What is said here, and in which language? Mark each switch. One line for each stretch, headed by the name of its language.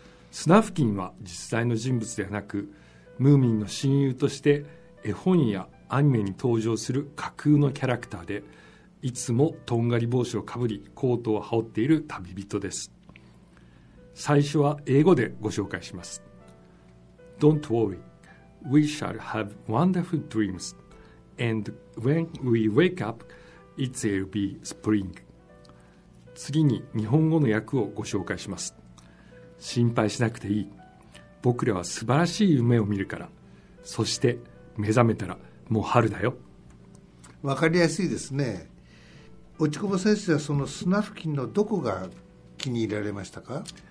Japanese: スナフキンは実在の人物ではなく、ムーミンの親友として絵本やアニメに登場する架空のキャラクターで、いつもとんがり帽子をかぶりコートを羽織っている旅人です。最初は英語でご紹介します。
English: Don't worry, we shall have wonderful dreams, and when we wake up, it will be spring.
Japanese: 次に日本語の訳をご紹介します。心配しなくていい、僕らは素晴らしい夢を見るから、そして目覚めたらもう春だよ。わかりやすいですね。落ち久保先生はそのスナフキンのどこが気に入られましたか？